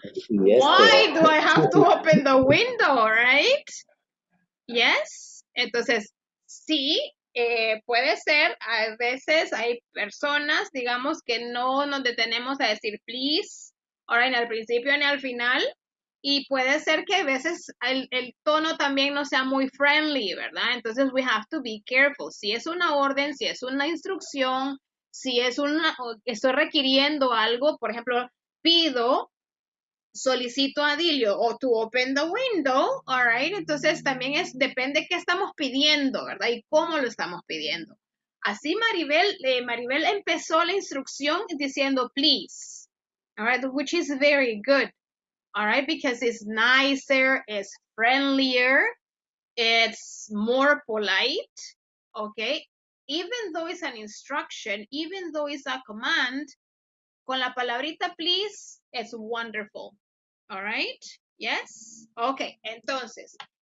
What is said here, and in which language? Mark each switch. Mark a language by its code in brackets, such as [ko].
[en] Yes, why do I have to open the window, right? Yes. [es] Entonces, sí, puede ser. A veces hay personas, digamos, que no nos detenemos a decir [en] please, [es] ahora en el principio ni al final. Y puede ser que a veces el tono también no sea muy [en] friendly, [es] ¿verdad? Entonces, [en] we have to be careful. [es] Si es una orden, si es una instrucción, si es una, estoy requiriendo algo, por ejemplo, pido, solicito a Adilio, o [en] to open the window, all right? [es] Entonces, también es depende qué estamos pidiendo, ¿verdad? Y cómo lo estamos pidiendo. Así Maribel empezó la instrucción diciendo, [en] please, all right? Which is very good, all right? Because it's nicer, it's friendlier, it's more polite, okay? Even though it's an instruction, even though it's a command, [es] con la palabrita please, [en] it's wonderful. All right? Yes? Okay. [es] Entonces,